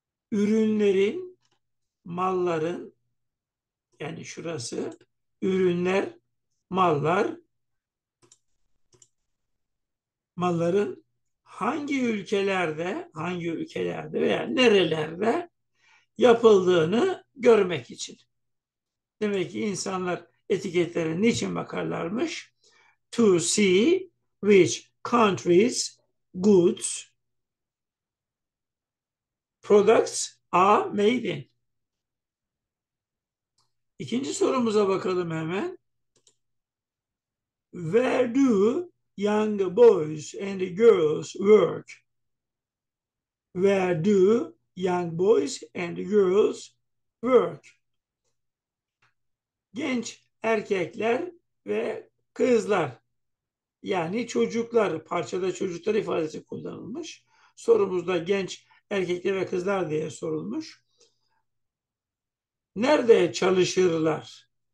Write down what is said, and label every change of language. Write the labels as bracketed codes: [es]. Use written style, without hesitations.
[tr] Ürünlerin, malların, yani şurası, ürünler, mallar, malların hangi ülkelerde veya nerelerde yapıldığını görmek için. Demek ki insanlar etiketlere niçin bakarlarmış? [en] To see which countries goods products are made in. [tr] İkinci sorumuza bakalım hemen. [en] Where do young boys and girls work? Where do young boys and girls work? [tr] Genç erkekler ve kızlar, yani çocuklar, parçada çocuklar ifadesi kullanılmış. Sorumuzda genç erkekler ve kızlar diye sorulmuş. Nerede çalışırlar?